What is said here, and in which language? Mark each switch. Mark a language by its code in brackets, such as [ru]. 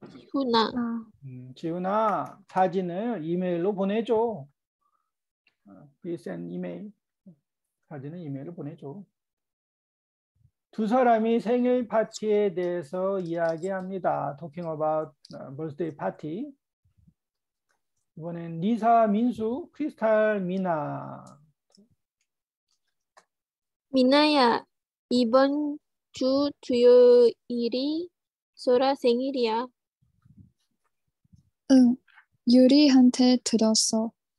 [ko] 지훈아. 지훈아. 사진을 이메일로 보내줘. [en] Please send email. [ko] 사진은 이메일을 보내줘. 두 사람이 생일 파티에 대해서 이야기합니다. [en] Talking about birthday party. [ko] 이번엔 니사, 민수, 크리스탈, 미나. 미나야, 이번 주 토요일이 소라 생일이야. 응, 유리한테 들었어.